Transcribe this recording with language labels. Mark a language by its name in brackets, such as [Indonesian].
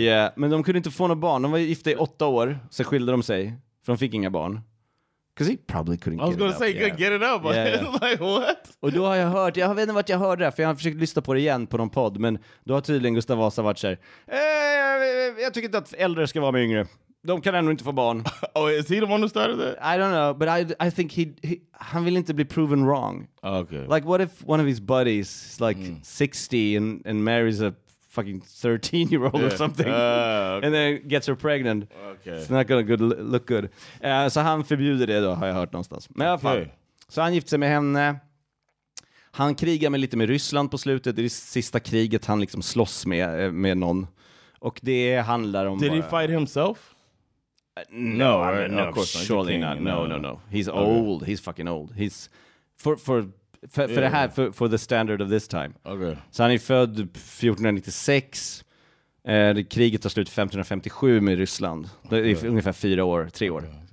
[Swedish] Yeah. Men de kunde inte få några barn. De var gifta i 8 år. Sen skilde de sig. För de fick inga barn. [English] Because he probably couldn't get it up. I was going to say, he couldn't get it up. Like, what? [Swedish] Och då har jag hört, jag vet inte vart jag hörde det, för jag har försökt lyssna på det igen på någon podd, men då har tydligen Gustav Vasa varit så här, jag tycker inte att äldre ska vara med yngre. De kan ändå inte få barn. [English] Oh, is he the one who started that? I don't know, but I think [Swedish] han vill inte bli [English] proven wrong. Okay. Like, what if one of his buddies is like 60 and marries a fucking 13-year-old or something okay. and then gets her pregnant. Okay. It's not gonna good, look good. [Swedish] Så han förbjuder det då, har jag hört någonstans. Men i alla fall. Så han gifte sig med henne. Han krigar med lite med Ryssland på slutet. Det är det sista kriget han liksom slåss med någon. Och det handlar om... [English] Did he fight himself? No, of course not. He's old. He's fucking old. He's for the hat for the standard of this time. Okay. [Swedish] Så han är född 1496. Kriget tar slut 1557 med Ryssland. Okay. Det är ungefär tre år.